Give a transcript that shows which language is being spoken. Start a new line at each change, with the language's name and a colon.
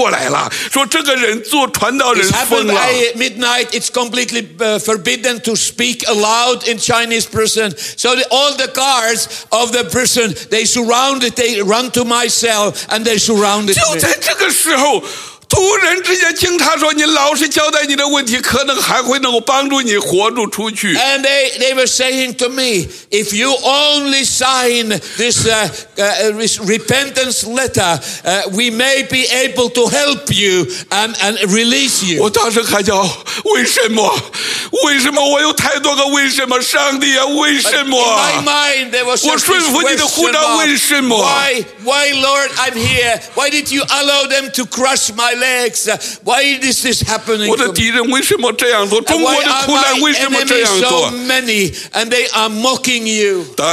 Chinese: 我正在绝望中，突然之间警察围过来了，说这个人做传道人疯了。
English: It's happened by midnight. It's completely forbidden to speak aloud in Chinese prison. So all the guards of the prison, they surrounded, they run to my cell and they surrounded me.
Chinese: 就在这个时候， 突然之间警察说，你老实交代你的问题，可能还会能够帮助你活着出去。
English: And they were saying to me, if you only sign this repentance letter, we may be able to help you and release you.
Chinese: 我当时还叫，为什么？为什么我有太多个为什么？上帝啊，为什么？
English: In my mind, there was just this question mark.
Chinese: 我顺服你的呼召，为什么？
English: Why, Lord, I'm here. Why did you allow them to crush my leg? Why is this happening?
Chinese: 我的敌人为什么这样做？中国的苦难为什么这样做？
English: And why are my enemies so many and they are mocking you?